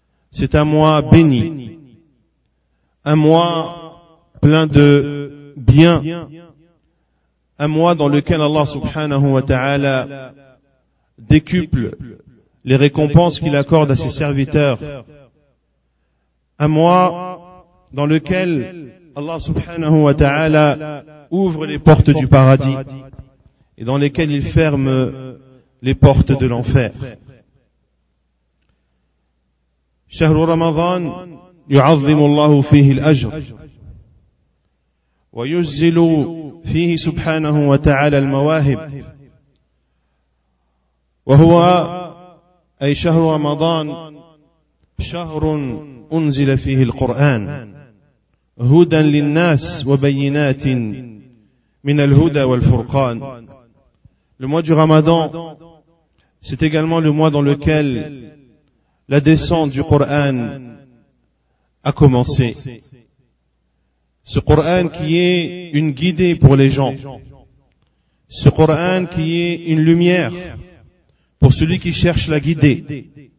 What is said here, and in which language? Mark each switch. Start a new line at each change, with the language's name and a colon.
French: C'est un mois béni, un mois plein de bien, un mois dans lequel Allah subhanahu wa ta'ala décuple les récompenses qu'il accorde à ses serviteurs, un mois dans lequel Allah subhanahu wa ta'ala ouvre les portes du paradis et dans lesquelles il ferme les portes de l'enfer.
Arabic: شهر رمضان يعظم الله فيه الأجر ويزل فيه سبحانه وتعالى المواهب وهو أي شهر رمضان شهر أنزل فيه القرآن هدى للناس وبينات من الهدى والفرقان.
French: Le mois du Ramadan, c'est également le mois dans lequel la descente du Coran a commencé. Ce Coran qui est une guidée pour les gens. Ce Coran qui est une lumière pour celui qui cherche la guidée.